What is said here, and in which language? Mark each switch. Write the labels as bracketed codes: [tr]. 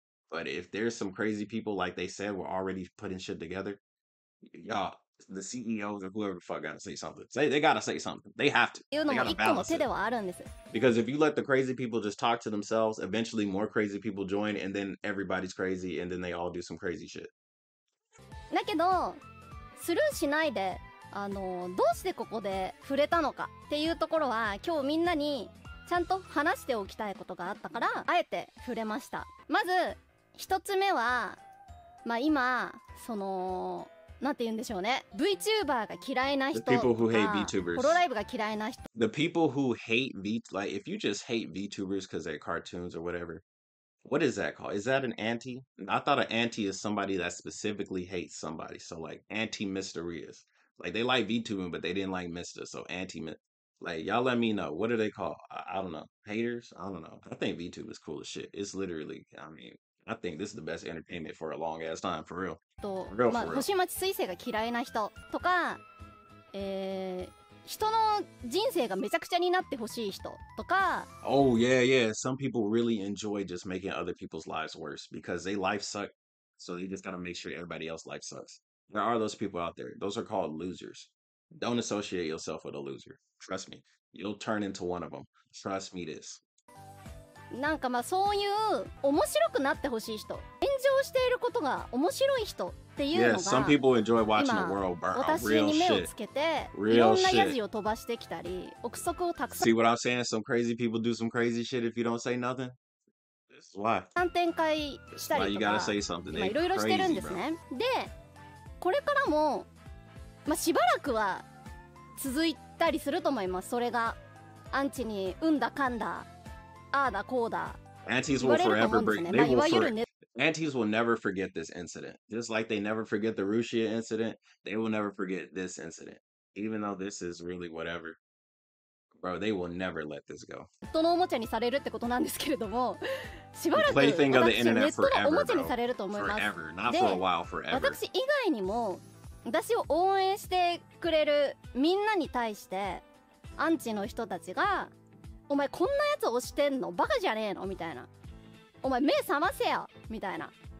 [en] But if there's some crazy people, like they said, were already putting shit together. Y'all, the CEOs or whoever the fuck gotta say something. They gotta say something. They have to. They gotta balance it. Because if you let the crazy people just talk to themselves, eventually more crazy people join, and then everybody's crazy, and then they all do some crazy shit. [ja] だけど、スルーしないで、あの、どうしてここで触れたのかっていうところは、今日みんなにちゃんと話しておきたいことがあったから、あえて触れました。まず、一つ目は、まあ今、その…なんて言うんでしょうね。 VTuber が嫌いな人とか、Hololive が嫌いな人。 [en] The people who hate VTubers, like if you just hate VTubers because they're cartoons or whatever, what is that called? Is that an anti? I thought an anti is somebody that specifically hates somebody. So like anti-mysterious. Like they like VTubing, but they didn't like Mister. So anti, like y'all let me know. What are they called? I don't know. Haters? I don't know. I think VTuber is cool as shit. It's literally, I mean... I think this is the best entertainment for a long ass time, for real. [ja] と、まあ、星町水星が嫌いな人とか、人の人生がめちゃくちゃになってほしい人とか。 [en] Oh yeah, yeah. Some people really enjoy just making other people's lives worse because they life suck, so they just gotta make sure everybody else life sucks. There are those people out there. Those are called losers. Don't associate yourself with a loser. Trust me, you'll turn into one of them. Trust me this. [ja] なんかまあそういう面白くなってほしい人、炎上していることが面白い人っていうのが、 [en] some people enjoy watching the world burn. [ja] 今私に目をつけて、いろんなヤジを飛ばしてきたり、憶測をたくさん。 [en] See what I'm saying? Some crazy people do some crazy shit if you don't say nothing. That's why. [ja] 反転会したりとか、 [en] you gotta say something. They're crazy, bro. [ja] いろいろしてるんですね。で、これからも、まあしばらくは続いたりすると思います。それがアンチにうんだかんだ。 [en] Aunties will forever bring. They will forever. Aunties will never forget this incident. Just like they never forget the Rushia incident, they will never forget this incident. Even though this is really whatever, bro, they will never let this go. [ja] そのおもちゃにされるってことなんですけれども、しばらく私ネットのおもちゃにされると思います。 [en] Forever, not for a while, forever. [ja] で、私以外にも私を応援してくれるみんなに対してアンチの人たちが。お前こんなやつ押してんのバカじゃねえのみたいな。お前目覚ませよみたいな。